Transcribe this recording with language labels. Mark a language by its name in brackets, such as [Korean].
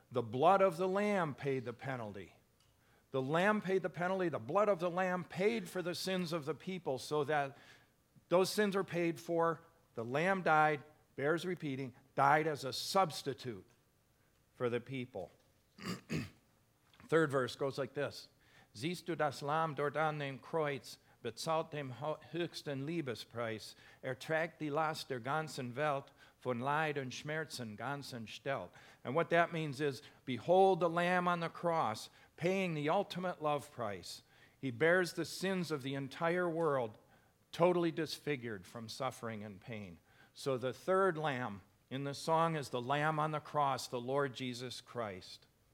[English] The blood of the lamb paid the penalty. The lamb paid the penalty. The blood of the lamb paid for the sins of the people so that those sins are paid for. The lamb died, bears repeating, died as a substitute for the people. Third verse goes like this. [German] Siehst du das Lamm dort an dem Kreuz, bezahlt dem höchsten Liebespreis, trägt die Last der ganzen Welt, von Leid und Schmerzen ganz entstellt. [English] And what that means is, behold the Lamb on the cross, paying the ultimate love price. He bears the sins of the entire world, totally disfigured from suffering and pain. So the third Lamb in the song is the Lamb on the cross, the Lord Jesus Christ.